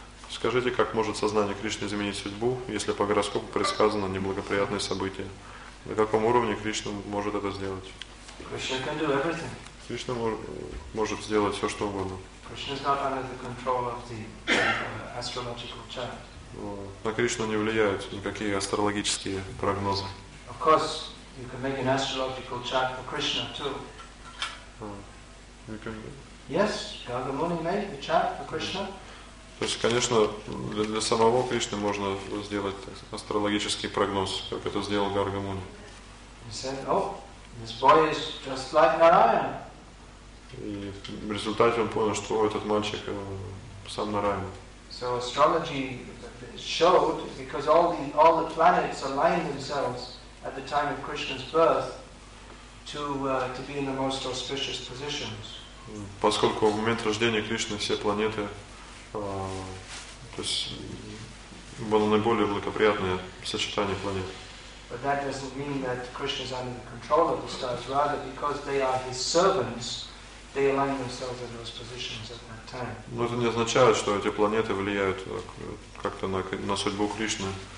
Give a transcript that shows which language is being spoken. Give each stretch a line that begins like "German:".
Russian: Скажите, как может сознание Кришны изменить судьбу, если по гороскопу предсказано неблагоприятное событие? На каком уровне Кришна может это сделать?
English: Krishna can do everything.
Russian: Кришна может сделать все, что угодно.
English: Krishna is not under the control of the astrological chart.
Russian: На Кришну не влияют никакие астрологические прогнозы.
English: Of course, you can make an astrological chart for Krishna too. You can. Yes, Garga Muni made the chart for Krishna.
Russian: То есть, конечно, для самого Кришны можно сделать так, астрологический прогноз, как это сделал Гарга Муни.
English: He said, "Oh, this boy is just like Narayana."
Russian: И в результате он понял, что этот мальчик сам Нараяна.
English: So astrology showed, because all the planets aligned themselves at the time of Krishna's birth to be in the most auspicious positions.
Russian: Поскольку в момент рождения Кришны все планеты было наиболее благоприятное сочетание планет.
English: But that doesn't mean that Krishna is under the control of the stars, rather because they are his servants. They align themselves in those positions at that time.
Russian: Но это не означает, что эти планеты влияют как-то на судьбу Кришны.